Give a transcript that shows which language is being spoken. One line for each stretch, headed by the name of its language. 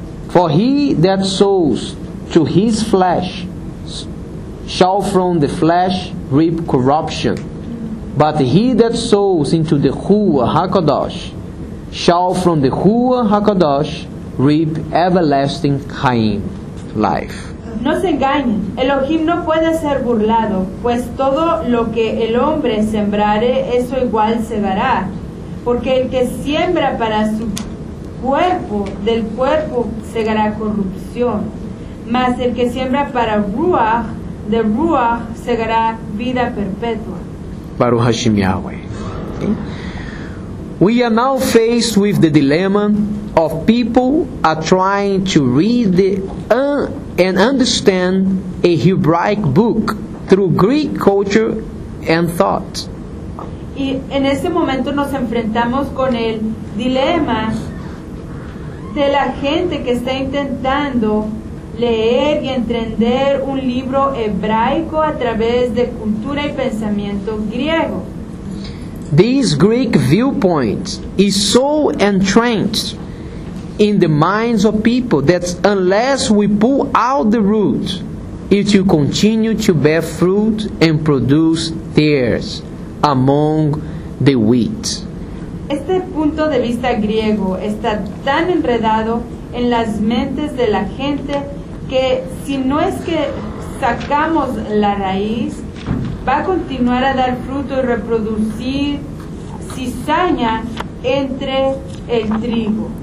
English: For he that sows to his flesh shall from the flesh reap corruption. But he that sows into the Ruach HaKodesh shall from the Ruach HaKodesh reap everlasting Chaim, life.
Spanish: No se engañen, Elohim no puede ser burlado, pues todo lo que el hombre sembrare, eso igual se dará. Porque el que siembra para su cuerpo, del cuerpo segará corrupción. Mas el que siembra para Ruach, de Ruach segará vida perpetua.
Hebrew: Baruch Hashem Yahweh.
English: We are now faced with the dilemma of people are trying to read and understand a Hebraic book through Greek culture and thought.
Spanish: Y en este momento nos enfrentamos con el dilema de la gente que está intentando leer y entender un libro hebraico a través de cultura y pensamiento griego.
English: This Greek viewpoint is so entrenched in the minds of people that unless we pull out the root, it will continue to bear fruit and produce tares among the wheat.
Spanish: Este punto de vista griego está tan enredado en las mentes de la gente que si no es que sacamos la raíz, va a continuar a dar fruto y reproducir cizaña entre el trigo.